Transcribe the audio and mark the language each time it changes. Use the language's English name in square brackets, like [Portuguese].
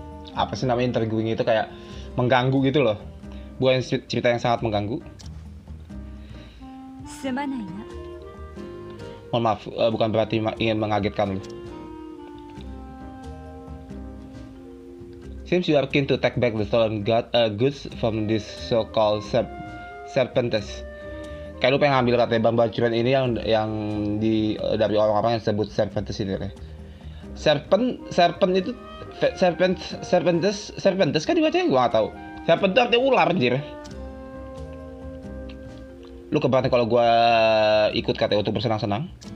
[Indonesian] Apa sih namanya intriguing itu kayak mengganggu gitu loh. Bukan cerita yang sangat mengganggu. Mohon maaf, bukan berarti ingin mengagetkan lu. [English] Seems you are keen to take back the stolen goods from this so-called serpentes. [Indonesian] Kayak lu pengen ngambil katanya bambu hancuran ini yang di dari orang-orang yang sebut serpentes ini. Serpentes kan dibacanya gua nggak tahu. Serpent itu artinya ular, anjir. Lu keberatan kalau gua ikut katanya untuk bersenang-senang?